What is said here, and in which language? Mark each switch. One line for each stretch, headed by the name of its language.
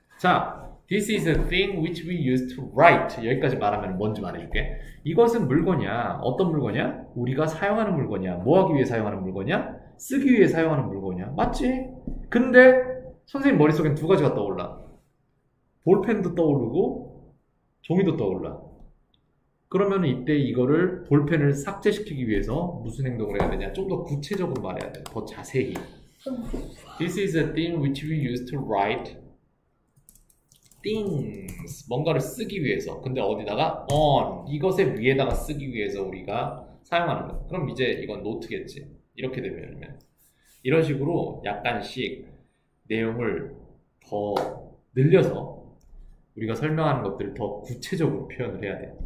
Korean: 자,
English: this is a thing which we use to write.
Korean: 여기까지 말하면 뭔지 말해줄게. 이것은 물건이야. 어떤 물건이야? 우리가 사용하는 물건이야. 뭐 하기 위해 사용하는 물건이야? 쓰기 위해 사용하는 물건이야. 맞지? 근데 선생님 머릿속엔 두 가지가 떠올라. 볼펜도 떠오르고 종이도 떠올라. 그러면 이때 이거를 볼펜을 삭제시키기 위해서 무슨 행동을 해야 되냐? 좀 더 구체적으로 말해야 돼. 더 자세히.
English: This is a thing which we use to write things.
Korean: 뭔가를 쓰기 위해서. 근데 어디다가?
English: On.
Korean: 이것의 위에다가 쓰기 위해서 우리가 사용하는 거야. 그럼 이제 이건 노트겠지. 이렇게 되면. 이런 식으로 약간씩 내용을 더 늘려서 우리가 설명하는 것들을 더 구체적으로 표현을 해야 돼.